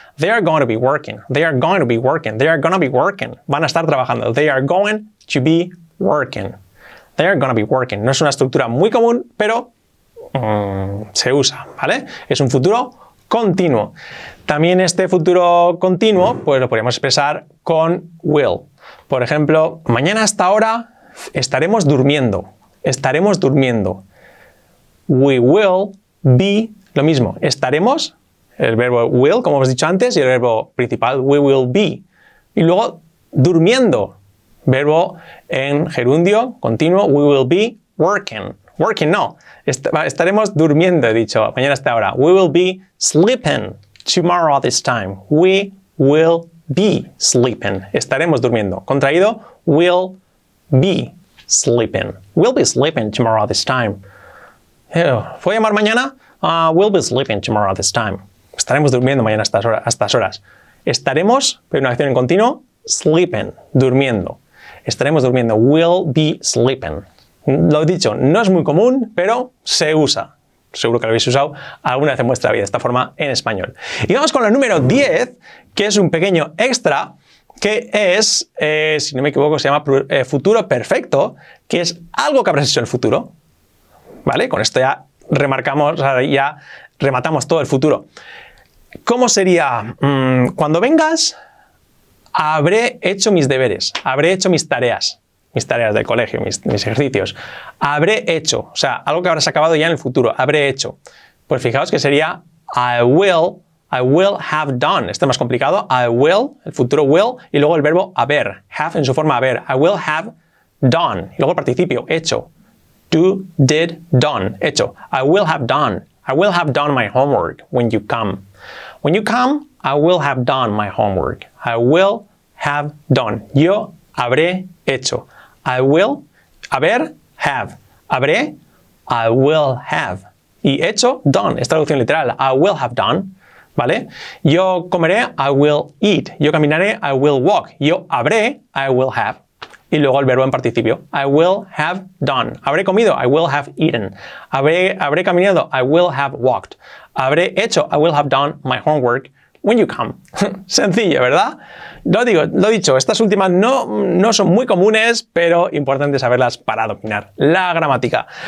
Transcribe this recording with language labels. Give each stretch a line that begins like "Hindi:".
English: They are going to be working. They are going to be working. They are going to be working.
Spanish: Van a estar trabajando.
English: They are going to be working. They are going to be working.
Spanish: No es una estructura muy común, pero se usa, ¿vale? Es un futuro continuo. También este futuro continuo, pues lo podríamos expresar con will. Por ejemplo, mañana a esta hora estaremos durmiendo. Estaremos durmiendo. We will be, lo mismo, estaremos, el verbo will, como hemos dicho antes, y el verbo principal, we will be. Y luego, durmiendo, verbo en gerundio, continuo,
English: we will be working.
Spanish: Working, no, estaremos durmiendo, he dicho, mañana hasta ahora.
English: We will be sleeping tomorrow at this time. We will be sleeping.
Spanish: Estaremos durmiendo.
English: Contraído, will be sleeping. We'll be sleeping tomorrow at this time.
Spanish: ¿Voy a llamar mañana?
English: We'll be sleeping tomorrow at this time.
Spanish: Estaremos durmiendo mañana a estas horas. Estaremos, pero una acción en continuo, sleeping, durmiendo. Estaremos durmiendo.
English: We'll be sleeping.
Spanish: Lo he dicho, no es muy común, pero se usa. Seguro que lo habéis usado alguna vez en vuestra vida, de esta forma en español. Y vamos con el número 10, que es un pequeño extra, que es, si no me equivoco, se llama futuro perfecto, que es algo que habrás hecho en el futuro. ¿Vale? Con esto ya remarcamos, ya rematamos todo el futuro. ¿Cómo sería? Cuando vengas, habré hecho mis deberes, habré hecho mis tareas del colegio, mis ejercicios. Habré hecho, o sea, algo que habrás acabado ya en el futuro, habré hecho. Pues fijaos que sería
English: I will have done.
Spanish: Este es más complicado. I will, el futuro will, y luego el verbo haber, have en su forma haber.
English: I will have done.
Spanish: Y luego el participio, hecho.
English: Do, did, done. Hecho. I will have done. I will have done my homework when you come. When you come, I will have done my homework. I will have done.
Spanish: Yo habré hecho.
English: I will, haber, have. Habré, I will have. Y hecho, done.
Spanish: Es traducción literal.
English: I will have done. ¿Vale?
Spanish: Yo comeré,
English: I will eat.
Spanish: Yo caminaré,
English: I will walk.
Spanish: Yo habré,
English: I will have.
Spanish: y luego el verbo en participio.
English: I will have done.
Spanish: Habré comido.
English: I will have eaten.
Spanish: Habré caminado.
English: I will have walked.
Spanish: Habré hecho.
English: I will have done my homework when you come.
Spanish: Sencillo, ¿verdad? Lo dicho, estas últimas no son muy comunes, pero importante saberlas para dominar la gramática.